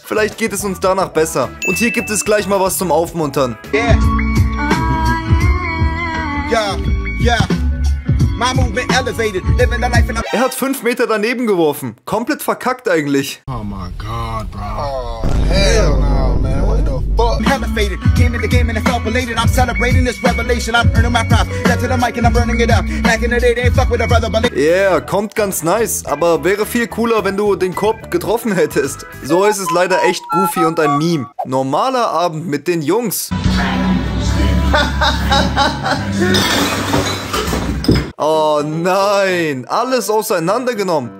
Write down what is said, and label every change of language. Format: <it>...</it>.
<de>Vielleicht geht es uns danach besser. Und hier gibt es gleich mal was zum Aufmuntern. Yeah.</de> <en>Yeah. My movement elevated, living the life in a-</en> <de>Er hat 5 Meter daneben geworfen. Komplett verkackt eigentlich.</de> <en>Oh my God, bro. Oh, hell no, man. What the fuck? Hella faded. Came in the game and it felt belated. I'm celebrating this revelation. I'm earning my props. Get to the mic and I'm burning it up. Back in the day, they fuck with a brother.</en> <de>Yeah, kommt ganz nice. Aber wäre viel cooler, wenn du den Korb getroffen hättest. So ist es leider echt goofy und ein Meme. Normaler Abend mit den Jungs. Oh nein, alles auseinandergenommen.</de>